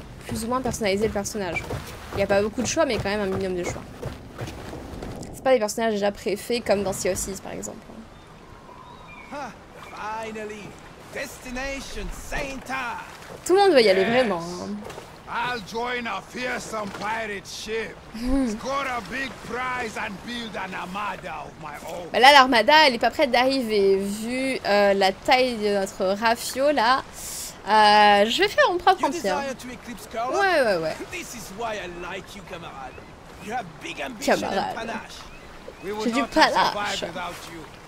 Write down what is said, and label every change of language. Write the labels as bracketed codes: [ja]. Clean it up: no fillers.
[fr] Plus ou moins personnaliser le personnage. Il n'y a pas beaucoup de choix, mais quand même un minimum de choix. C'est pas des personnages déjà préfaits, comme dans Sea of Thieves, par exemple. [en] Finally, destination Sainte-Anne. [fr] Tout le monde veut y aller, vraiment. [en] I'll join a fearsome pirate ship. Score a big prize and build an armada of my own. [fr] Bah là, l'armada, elle est pas prête d'arriver, vu la taille de notre rafio là. Je vais faire mon propre empire. Ouais. [en] This is why I like you, camarade. You have big ambition and panache. We would not survive without you.